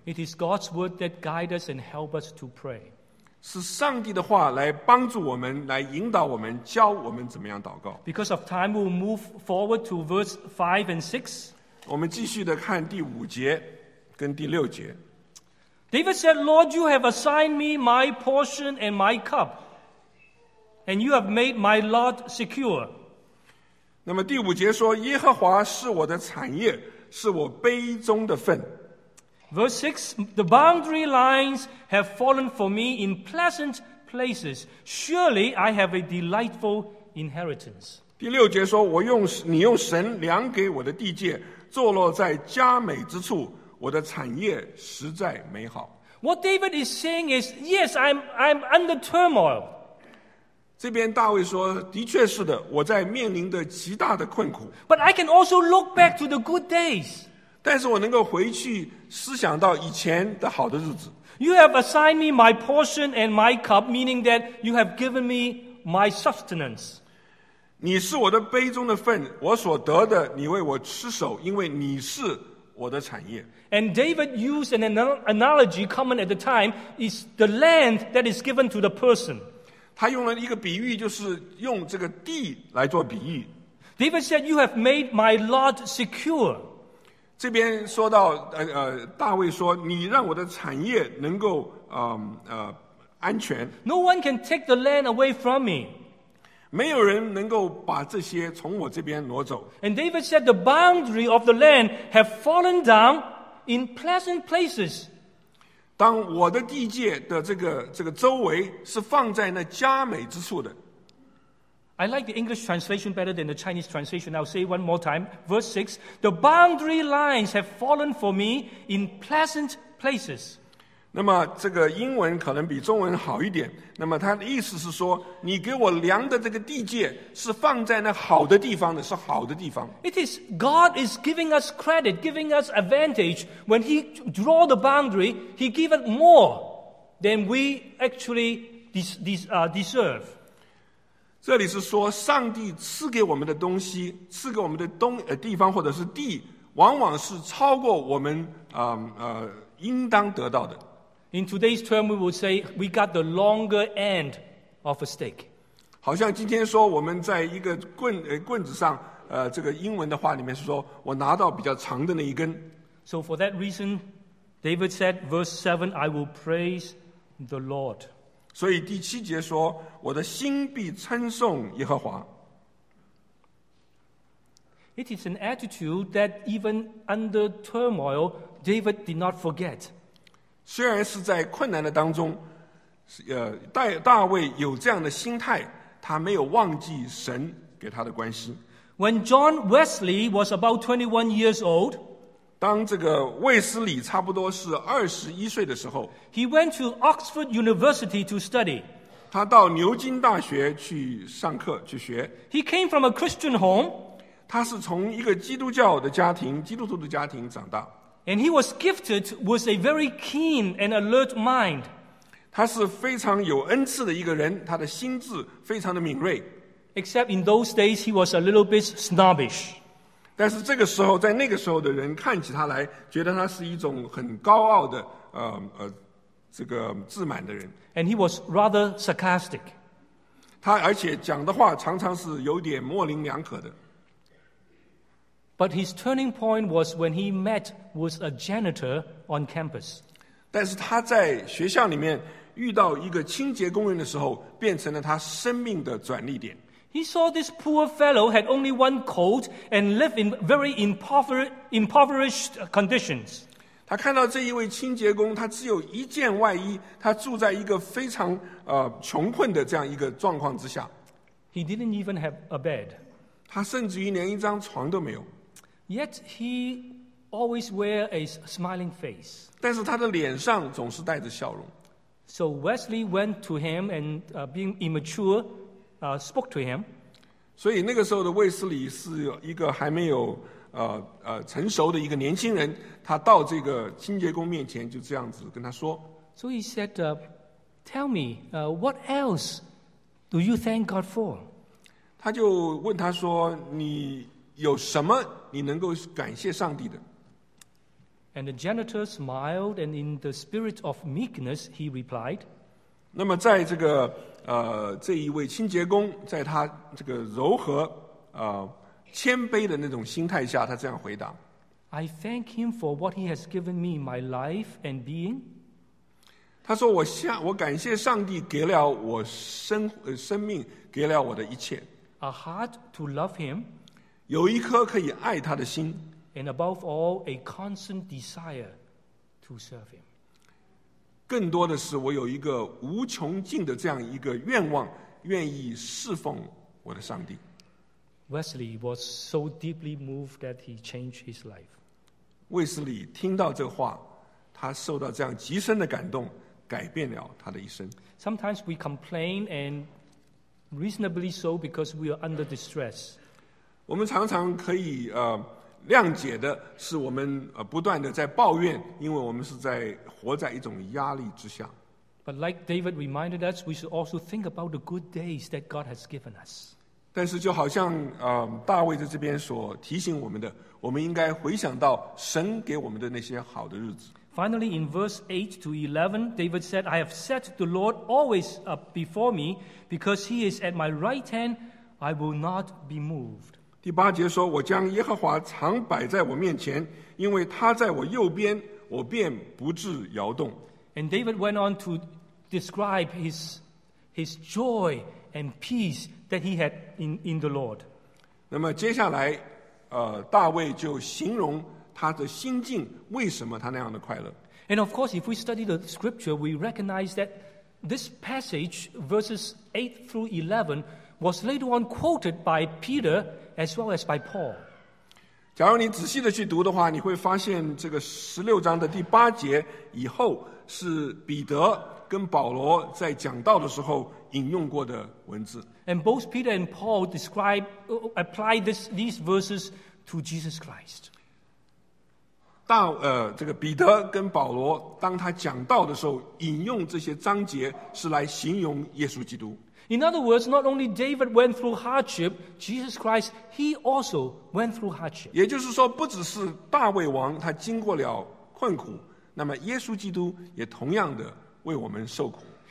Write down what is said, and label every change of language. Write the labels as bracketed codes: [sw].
[en] It is God's word that guides us and helps us to pray. [zh] 是上帝的话来帮助我们，来引导我们，教我们怎么样祷告。 [en] Because of time, we'll move forward to verse 5 and 6. [zh] 我们继续的看第五节跟第六节。 [en] David said, Lord, you have assigned me my portion and my cup, and you have made my lot secure. [zh] 那么第五节说耶和华是我的产业是我杯中的份 [en] Verse 6 The boundary lines have fallen for me in pleasant places Surely I have a delightful inheritance [zh] 第六节说你用神量给我的地界坐落在佳美之处我的产业实在美好 [en] What David is saying is Yes, I'm under turmoil [zh] 这边大卫说的确是的我在面临的极大的困苦 [en] But I can also look back to the good days [zh] 但是我能够回去思想到以前的好的日子 [en] You have assigned me my portion and my cup meaning that you have given me my sustenance [zh] 你是我的杯中的份我所得的你为我持守因为你是我的产业 [en] And David used an analogy common at the time is the land that is given to the person [zh] 他用了一个比喻就是用这个地来做比喻 [en] David said you have made my lot secure [zh] 这边说到大卫说你让我的产业能够安全 [en] No one can take the land away from me [zh] 没有人能够把这些从我这边挪走。 [en] And David said the boundary of the land have fallen down in pleasant places. [zh] 当我的地界的这个周围是放在那佳美之处的。 [en] I like the English translation better than the Chinese translation. I'll say one more time. Verse 6, the boundary lines have fallen for me in pleasant places. [zh] 那么这个英文可能比中文好一点，那么它的意思是说，你给我量的这个地界是放在那好的地方的，是好的地方。 [en] It is God is giving us credit, giving us advantage. When he draw the boundary, he give it more than we actually deserve. [zh] 这里是说上帝赐给我们的东西，赐给我们的地方或者是地，往往是超过我们应当得到的。 [en] In today's term, we would say we got the longer end of a stick. [zh] 好像今天说我们在一个棍子上，这个英文的话里面是说我拿到比较长的那一根。 [en] So for that reason, David said, verse 7, I will praise the Lord. [zh] 所以第七节说，我的心必称颂耶和华。 [en] It is an attitude that even under turmoil, David did not forget. [zh] 虽然是在困难的当中，大卫有这样的心态，他没有忘记神给他的关系。 [en] When John Wesley was about 21 years old, [zh] 当这个卫斯理差不多是21岁的时候， [en] he went to Oxford University to study. [zh] 他到牛津大学去上课去学。 [en] He came from a Christian home. [zh] 他是从一个基督教的家庭，基督徒的家庭长大。 [en] And he was gifted with a very keen and alert mind. [zh] 他是非常有恩赐的一个人，他的心智非常的敏锐。 [en] Except in those days, he was a little bit snobbish. [zh] 但是这个时候，在那个时候的人看起他来，觉得他是一种很高傲的，这个自满的人。 [en] And he was rather sarcastic. [zh] 他而且讲的话常常是有点模棱两可的。 [en] But his turning point was when he met with a janitor on campus. [zh] 但是他在学校里面遇到一个清洁工人的时候，变成了他生命的转捩点。 [en] He saw this poor fellow had only one coat and lived in very impoverished conditions. [zh] 他看到这一位清洁工，他只有一件外衣，他住在一个非常穷困的这样一个状况之下。 [en] He didn't even have a bed. [zh] 他甚至于连一张床都没有。 [en] Yet he always wear a smiling face. [zh] 但是他的脸上总是带着笑容。 [en] So Wesley went to him and being immature, spoke to him. [zh] 所以那个时候的卫斯理是一个还没有成熟的一个年轻人，他到这个清洁工面前就这样子跟他说。 [en] So he said, "Tell me, what else do you thank God for?" [zh] 他就问他说，你有什么你能够感谢上帝的？ [en] And the janitor smiled and in the spirit of meekness he replied, [zh] 那么在这个这一位清洁工在他这个柔和谦卑的那种心态下，他这样回答， [en] I thank him for what he has given me, my life and being. [zh] 他说我感谢上帝给了我生命，给了我的一切， [en] a heart to love him, [zh] 有一颗可以爱他的心， [en] and above all, a constant desire to serve him. [zh] 更多的是我有一个无穷尽的这样一个愿望，愿意侍奉我的上帝。 [en] Wesley was so deeply moved that he changed his life. [zh] 卫斯理听到这话，他受到这样极深的感动，改变了他的一生。 [en] Sometimes we complain, and reasonably so, because we are under distress. [zh] 我们常常可以谅解的是我们不断的在抱怨，因为我们是在活在一种压力之下。 [en] But like David reminded us, we should also think about the good days that God has given us. [zh] 但是就好像大卫在这边所提醒我们的，我们应该回想到神给我们的那些好的日子。 [en] Finally, in verse 8 to 11, David said, I have set the Lord always up before me, because he is at my right hand, I will not be moved. [zh] 第八节说，我将耶和华常摆在我面前，因为他在我右边，我便不致摇动。 [en] And David went on to describe his his joy and peace that he had in the Lord. [zh] 那么接下来，大卫就形容他的心境，为什么他那样的快乐。 [en] And of course, if we study the scripture, we recognize that this passage, verses 8 through 11, was later on quoted by Peter as well as by Paul. [zh] 假如你仔细的去读的话，你会发现这个16章的第八节以后是彼得跟保罗在讲道的时候引用过的文字。 [en] And both Peter and Paul describe, apply these verses to Jesus Christ. [zh] 这个彼得跟保罗当他讲道的时候引用这些章节是来形容耶稣基督。 [en] In other words, not only David went through hardship, Jesus Christ, he also went through hardship. [zh] 也就是说不只是大卫王他经过了困苦，那么耶稣基督也同样的为我们受苦。